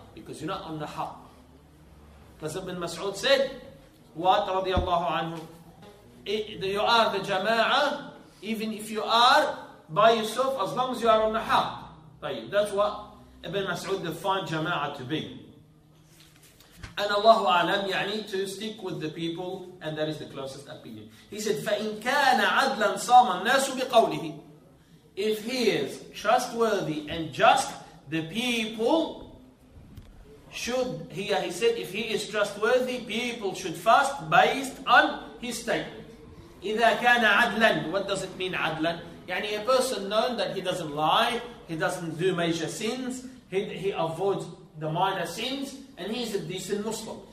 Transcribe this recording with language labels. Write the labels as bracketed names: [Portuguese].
[English] Because you're not on the haqq. Because Ibn Mas'ud said, what, radiallahu anhu, you are the jama'ah, even if you are by yourself, as long as you are on the haqq. That's what Ibn Mas'ud defined jama'ah to be. And Allahu A'lam, يعني to stick with the people, and that is the closest opinion. He said, [Arabic] فَإِنْ كَانَ عَدْلًا صَامَ النَّاسُ بِقَوْلِهِ. [English] If he is trustworthy and just, the people should, he said, if he is trustworthy, people should fast based on his statement. [Arabic] إِذَا كَانَ عَدْلًا. [English] What does it mean, عَدْلًا? يعني a person known that he doesn't lie, he doesn't do major sins, he avoids the minor sins, and he is a decent Muslim.